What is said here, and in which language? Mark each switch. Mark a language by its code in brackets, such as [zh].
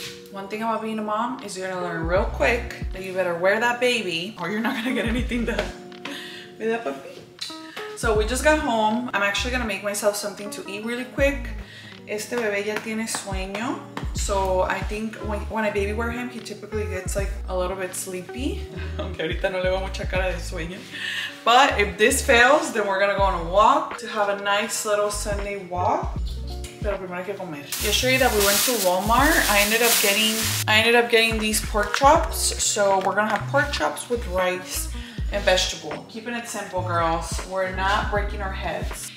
[en] One thing about being a mom is you're gonna learn real quick that you better wear that baby or you're not gonna get anything done with that puppy. So we just got home. I'm actually gonna make myself something to eat really quick. [es] Este bebé ya tiene sueño. [en] So I think when I baby wear him, he typically gets like a little bit sleepy. [es] Aunque ahorita no le va mucha cara de sueño. [en] But if this fails, then we're gonna go on a walk to have a nice little Sunday walk. [es] Pero primero hay que comer. [en] Yesterday that we went to Walmart, I ended up getting these pork chops. So we're gonna have pork chops with rice and vegetable. Keeping it simple, girls. We're not breaking our heads.